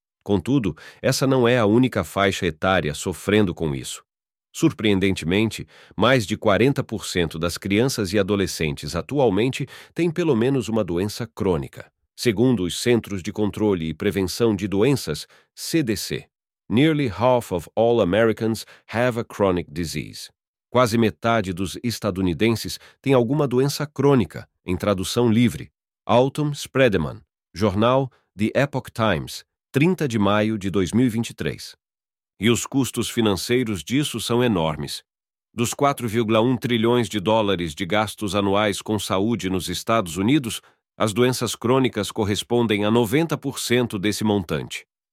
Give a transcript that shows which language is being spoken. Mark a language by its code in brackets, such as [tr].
[pt] Contudo, essa não é a única faixa etária sofrendo com isso. Surpreendentemente, mais de 40% das crianças e adolescentes atualmente têm pelo menos uma doença crônica, segundo os Centros de Controle e Prevenção de Doenças, CDC. [en] Nearly half of all Americans have a chronic disease. [pt] Quase metade dos estadunidenses tem alguma doença crônica, em tradução livre. Autumn Spreademan, jornal The Epoch Times, 30 de maio de 2023. E os custos financeiros disso são enormes. Dos 4,1 trilhões de dólares de gastos anuais com saúde nos Estados Unidos, as doenças crônicas correspondem a 90% desse montante.